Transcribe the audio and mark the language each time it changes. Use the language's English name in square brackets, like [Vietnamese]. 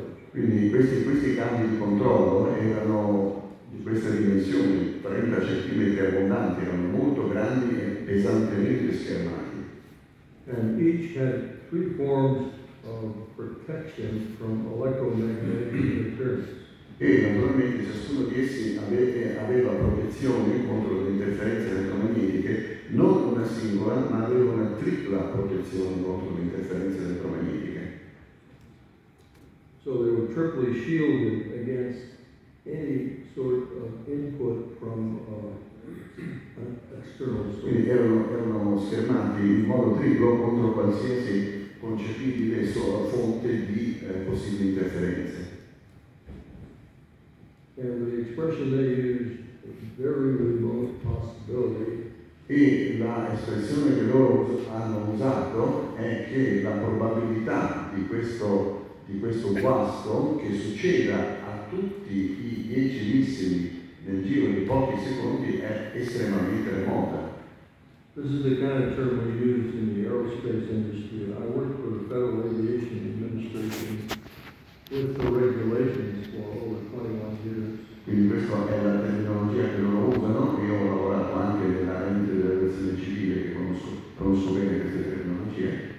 [Italian] Quindi questi cavi di controllo erano di questa dimensione, 30 cm abbondanti, erano molto grandi e pesantemente schermati. [English] And each had three forms of protection from electromagnetic interference. [Italian] E naturalmente ciascuno di essi aveva protezioni contro le interferenze elettromagnetiche non una singola, ma aveva una tripla protezione contro le interferenze elettromagnetiche. [English] So they were triply shielded against any sort of input from an external source. [Italian] Quindi erano schermati in modo triplo contro qualsiasi concepibile sola fonte di possibili interferenze. [English] And the expression they used is very remote possibility. [Italian] E la espressione che loro hanno usato è che la probabilità di questo guasto che succeda a tutti i 10 missili nel giro di pochi secondi è estremamente remota. [English] This is the kind of term we use in the aerospace industry. I work for the Federal Aviation Administration with the regulations for over 21 years. [Italian] Quindi questa è la terminologia che loro usano, io ho lavorato anche nella rete della versione civile che conosco bene queste terminologie.